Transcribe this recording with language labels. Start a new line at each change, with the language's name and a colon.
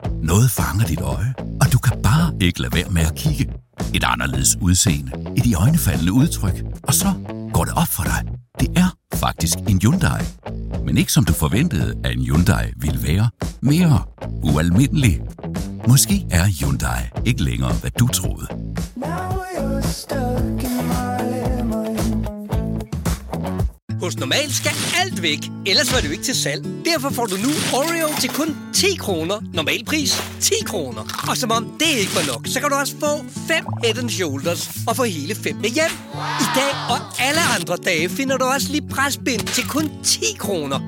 Danish: Noget fanger dit øje, og du kan bare ikke lade være med at kigge. Et anderledes udseende, et i øjne faldende udtryk, og så går det op for dig. Det er faktisk en Hyundai. Men ikke som du forventede, at en Hyundai ville være. Mere ualmindelig. Måske er Hyundai ikke længere, hvad du troede.
English: Now you're stuck in my limo.
Danish: Hos normalt skal alt væk, ellers var det jo ikke til salg. Derfor får du nu Oreo til kun 10 kroner. Normal pris 10 kroner. Og som om det ikke var nok, så kan du også få 5 Head & Shoulders og få hele 5 med hjem. I dag og alle andre dage finder du også lige presbind til kun 10 kroner.